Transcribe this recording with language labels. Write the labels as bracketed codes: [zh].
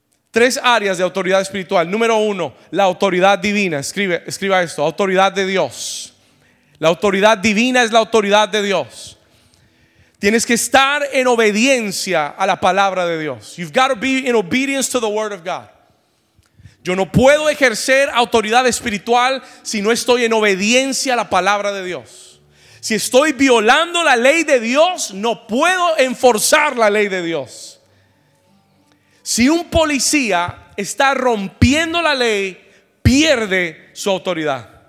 [es] Tres áreas de autoridad espiritual. Número uno, la autoridad divina. Escriba esto: autoridad de Dios. La autoridad divina es la autoridad de Dios. Tienes que estar en obediencia a la palabra de Dios. [en] You've got to be in obedience to the word of God. [es] Yo no puedo ejercer autoridad espiritual si no estoy en obediencia a la palabra de Dios. Si estoy violando la ley de Dios, no puedo enforzar la ley de Dios. Si un policía está rompiendo la ley, pierde su autoridad.